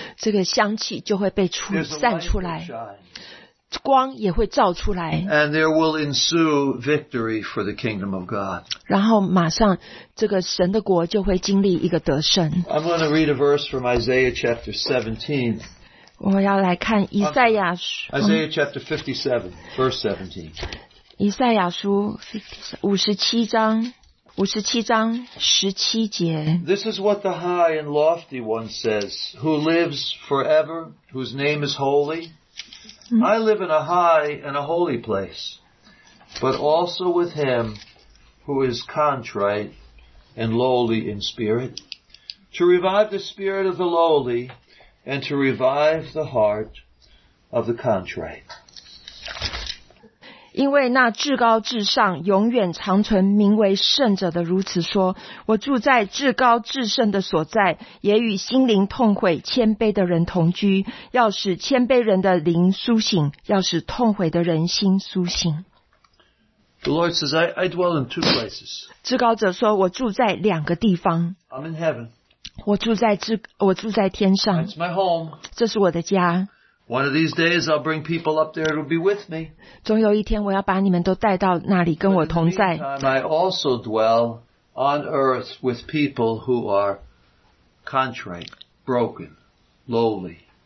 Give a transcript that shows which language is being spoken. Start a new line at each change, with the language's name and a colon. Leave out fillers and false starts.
Chinese: 这个香气就会被散出来 光也会照出来
English: And there will ensue victory for the kingdom of God.
Chinese: 然后马上这个神的国就会经历一个得胜
English: I'm going to read a verse from Isaiah chapter 17.
Chinese: 我要来看以赛亚
English: Isaiah chapter 57, verse 17.
Chinese: 以赛亚书57章17节
English: This is what the high and lofty one says, who lives forever, whose name is holy. I live in a high and a holy place, but also with him who is contrite and lowly in spirit, to revive the spirit of the lowly, and to revive the heart of the contrite.
Chinese: 因为那至高至上永远长存名为圣者的如此说，我住在至高至圣的所在，也与心灵痛悔谦卑的人同居，要使谦卑人的灵苏醒，要使痛悔的人心苏醒。
English: The Lord says, I dwell in two places.
Chinese: 至高者说，我住在两个地方。
English: I'm in heaven.
Chinese: 我住在天上。
English: It's my home.
Chinese: 这是我的家。
English: One of these days, I'll bring people up there. It'll be with me.
Chinese: 总有一天，我要把你们都带到那里跟我同在。
English: But in the meantime, I also dwell on earth with people who are contrite, broken, lowly.